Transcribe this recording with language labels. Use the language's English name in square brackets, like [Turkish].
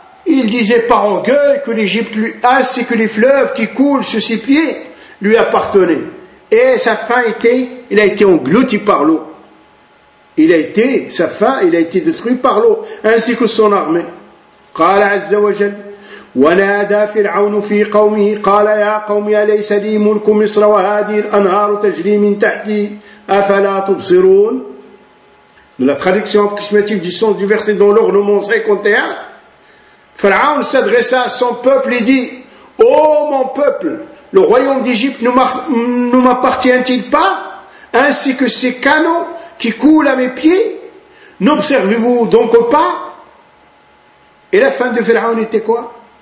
[French] Il disait par orgueil que l'Égypte, ainsi que les fleuves qui coulent sur ses pieds, lui appartenaient. Et sa fin était, il a été englouti par l'eau. Il a été détruit par l'eau, ainsi que son armée. [Arabic] Qala Azza wa Jal. ونادى فرعون في قومه قال يا قوم أليس لي ملك مصر وهذه الأنهار تجري من تحتي أفلا تبصرون. [French] La traduction approximative du sens du verset dans l'ordre numéro 51. Pharaon s'adressa à son peuple et dit, ô mon peuple, le royaume d'Égypte ne m'appartient-il pas, ainsi que ces canaux qui coulent à mes pieds, n'observez-vous donc pas? Et la fin de Pharaon était quoi?